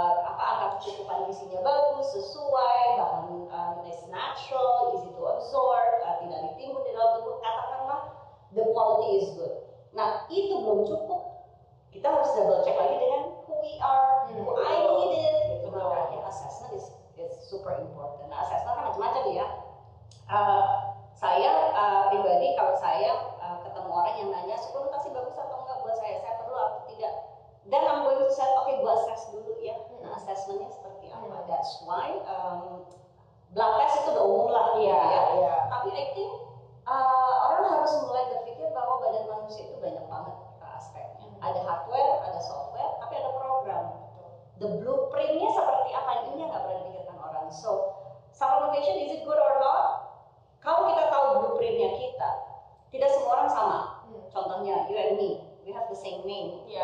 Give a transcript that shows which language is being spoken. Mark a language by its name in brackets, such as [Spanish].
[Indonesian] Angka kecukupan gizinya bagus, sesuai, bahan [English] is natural, easy to absorb, [Indonesian] tidak ditimbun di dalam tubuh, katakanlah [English] the quality is good. [Indonesian] Nah, itu belum cukup. Kita harus double check lagi dengan [English] who we PR, I need it. [Indonesian] Gitu. Makanya [English] assessment is super important. [Indonesian] Nah, assessment kan macam-macam ya. Saya pribadi kalau saya ketemu orang yang nanya, sekuritasi bagus atau enggak buat saya perlu atau tidak. [English] Dan I'm going to say, okay, [Indonesian] gua assess dulu ya. Nah, assessmentnya seperti apa? [English] That's why blood test [Indonesian] itu udah umum lah, tapi [English] I think [Indonesian] orang harus mulai berpikir bahwa badan manusia itu banyak banget aspeknya. Ada hardware, ada software, tapi ada program. The blueprintnya seperti apa, ini yang gak pernah dipikirkan orang. [English] So, supplementation, is it good or not? [Indonesian] Kalau kita tahu blueprintnya kita, tidak semua orang sama. Contohnya, [English] you and me, we have the same name.